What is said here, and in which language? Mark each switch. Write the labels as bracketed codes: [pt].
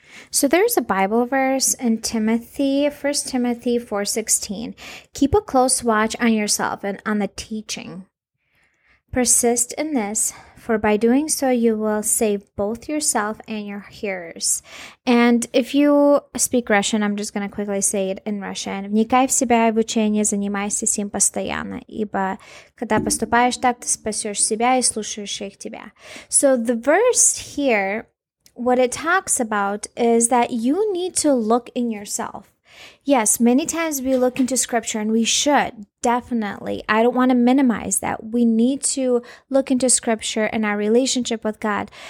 [en] So there's a Bible verse in Timothy, 1 Timothy 4:16. Keep a close watch on yourself and on the teaching. Persist in this, for by doing so you will save both yourself and your hearers. And if you speak Russian, I'm just going to quickly say it in Russian. [ru] Вникай в себя и в учение, занимайся с ним постоянно, ибо когда поступаешь так, ты спасешь себя и слушающих тебя. [en] So the verse here, what it talks about is that you need to look in yourself. Yes, many times we look into scripture, and we should, definitely. I don't want to minimize that. We need to look into scripture and our relationship with God.